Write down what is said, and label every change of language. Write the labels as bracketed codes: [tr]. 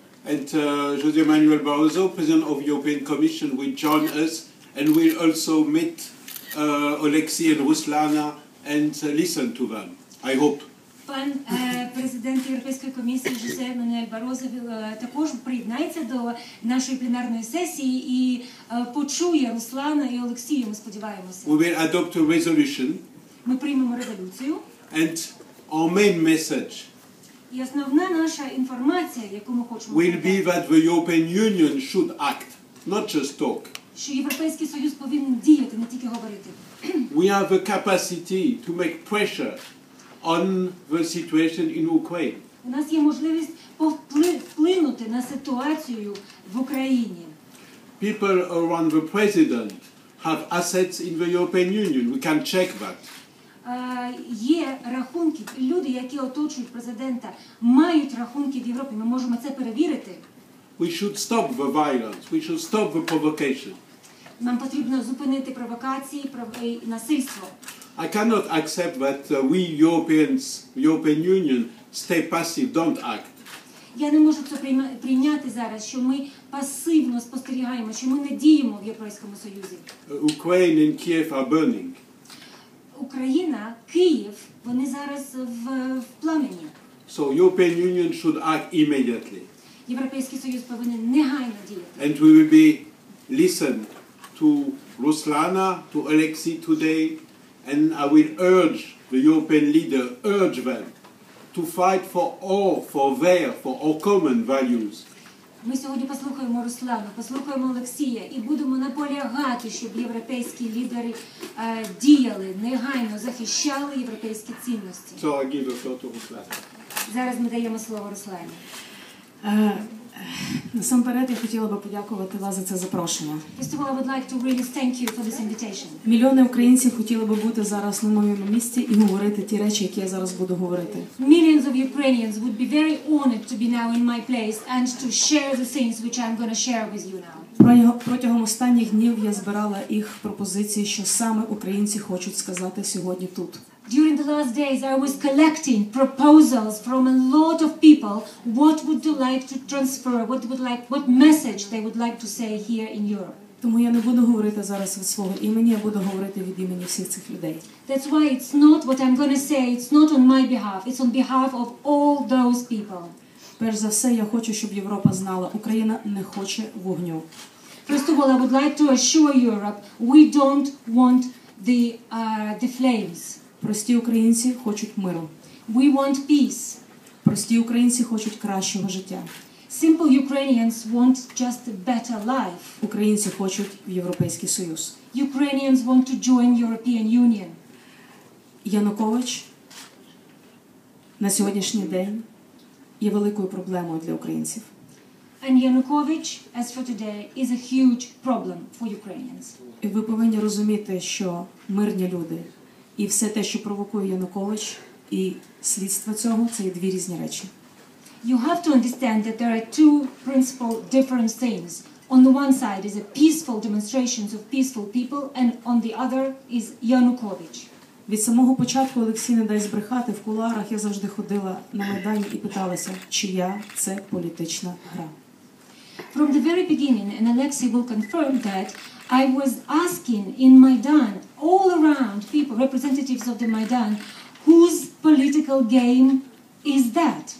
[en] And José Manuel Barroso, President of the European Commission, will join us and we'll also meet Oleksiy and Ruslana and listen to them. I hope. [uk] Пан президент Європейської комісії Жозе Мануель Барозо також приєднається до нашої пленарної сесії і почує Руслана і Олексія, ми сподіваємося. [en] We will adopt a resolution. [uk] Ми приймемо резолюцію. [en] And our main message. [uk] І основна наша інформація, яку ми хочемо. [en] Will be that the European Union should act, not just talk. [uk] Що Європейський Союз повинен діяти, не тільки говорити. [en] We have the capacity to make pressure on the situation in Ukraine. [uk] У нас є можливість вплинути на ситуацію в Україні. [en] People around the president have assets in the European Union. We can check that. [uk] Є рахунки, люди, які оточують президента, мають рахунки в Європі. Ми можемо це перевірити. [en] We should stop the violence. We should stop the provocation. [uk] Нам потрібно зупинити провокації і насильство. [en] I cannot accept that we Europeans, European Union, stay passive, don't act. [uk] Я не можу це прийняти зараз, що ми пасивно спостерігаємо, що ми не діємо в Європейському Союзі. [en] Ukraine and Kiev are burning. [uk] Україна, Київ, вони зараз в пламені. [en] So European Union should act immediately. [uk] Європейський Союз повинен негайно діяти. [en] And we will be listen to Руслана, to Алексей today, and I will urge the European leader, urge them to fight for all, for their, for our common values. [uk] Ми сьогодні послухаємо Руслана, послухаємо Олексія і будемо наполягати, щоб європейські лідери діяли, негайно захищали європейські цінності. [en] So I give the floor to Руслана. [uk] Зараз ми даємо слово Руслані. Насамперед, я хотіла би подякувати вас за це запрошення. [en] First of all, I would like to really thank you for this invitation. [uk] Мільйони українців хотіли би бути зараз на моєму місці і говорити ті речі, які я зараз буду говорити. [en] Millions of Ukrainians would be very honored to be now in my place and to share the things which I'm going to share with you now. [uk] Протягом останніх днів я збирала їх пропозиції, що саме українці хочуть сказати сьогодні тут. [en] During the last days I was collecting proposals from a lot of people what would they like to transfer, what message they would like to say here in Europe. [uk] Тому я не буду говорити зараз від свого імені, я буду говорити від імені всіх цих людей. [en] That's why it's not what I'm going to say, it's not on my behalf, it's on behalf of all those people. [uk] Перш за все, я хочу, щоб Європа знала, Україна не хоче вогню. [en] First of all, I would like to assure Europe, we don't want the flames. [uk] Прості українці хочуть миру. [en] We want peace. [uk] Прості українці хочуть кращого життя. [en] Simple Ukrainians want just a better life. [uk] Українці хочуть Європейський Союз. [en] Ukrainians want to join European Union. [uk] Янукович на сьогоднішній день є великою проблемою для українців. [en] And Yanukovych, as for today, is a huge problem for Ukrainians. [uk] І ви повинні розуміти, що мирні люди і все те, що провокує Янукович, і слідство цього – це є дві різні речі. [en] You have to understand that there are two principal different things. On the one side is a peaceful demonstrations of peaceful people, and on the other is Yanukovych. [uk] Від самого початку, Олексій, не дай збрехати, в кулуарах я завжди ходила на Майдані і питалася, чия це політична гра. [en] From the very beginning, and Alexei will confirm that, I was asking in Maidan, all around people, representatives of the Maidan, whose political game is that?